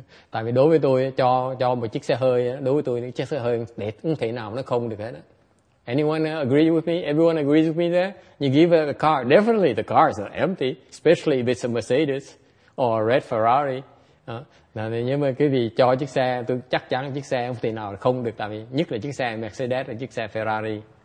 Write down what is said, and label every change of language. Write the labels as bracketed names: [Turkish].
[Vietnamese] Tại vì đối với tôi cho một chiếc xe hơi, đối với tôi những chiếc xe hơi để không thể nào nó không được hết. [English] Anyone agree with me? Everyone agrees with me there? You give a car, definitely the car is empty, especially if it's a Mercedes or a red Ferrari. [Vietnamese] Nhưng mà quý vị cho chiếc xe, tôi chắc chắn chiếc xe không thể nào không được, tại vì nhất là chiếc xe Mercedes là chiếc xe Ferrari.